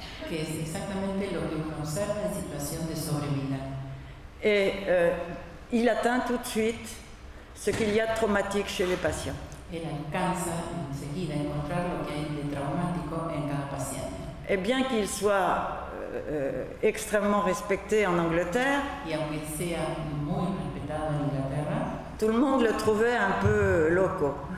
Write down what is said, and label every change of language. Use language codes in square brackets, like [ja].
[es] Que es exactamente lo que uno observa en situación de sobrevida. [fr] Et il atteint tout de suite ce qu'il y a de traumatique chez les patients. [es] Él alcanza enseguida encontrar lo que hay de traumático en cada paciente. [fr] Et bien qu'il soit extrêmement respecté en Angleterre, [es] y aunque sea muy respetado en Inglaterra, [fr] tout le monde le trouvait un peu loco.